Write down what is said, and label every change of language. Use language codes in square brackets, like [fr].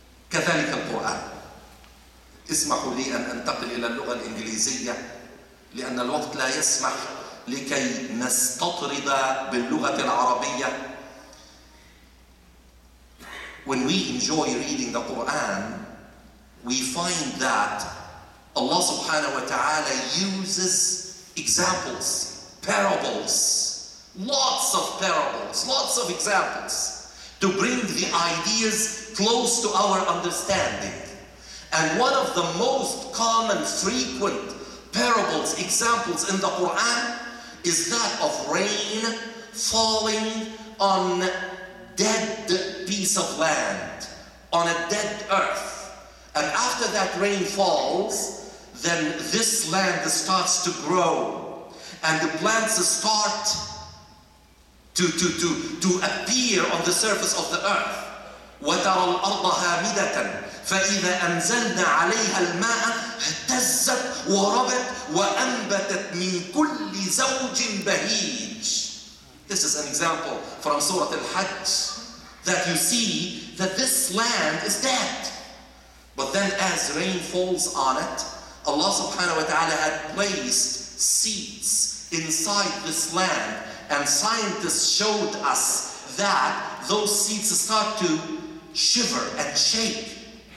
[ar] كذلك القرآن. اسمحوا لي أن أنتقل إلى اللغة الإنجليزية لأن الوقت لا يسمح لكي نستطرد باللغة العربية. [en] When we enjoy reading the Quran, we find that Allah subhanahu wa ta'ala uses examples, parables, lots of parables, lots of examples to bring the ideas close to our understanding. And one of the most common, frequent parables, examples in the Quran is that of rain falling on a dead piece of land, on a dead earth. And after that rain falls, then this land starts to grow and the plants start to appear on the surface of the earth. [ar] وترى الأرض هامدة فإذا أنزلنا عليها الماء اهتزت وربت وأنبتت من كل زوج بهيج. [en] This is an example from Surah Al-Hajj that you see that this land is dead. But then as rain falls on it, Allah subhanahu wa ta'ala had placed seeds inside this land, and scientists showed us that those seeds start to shiver and shake.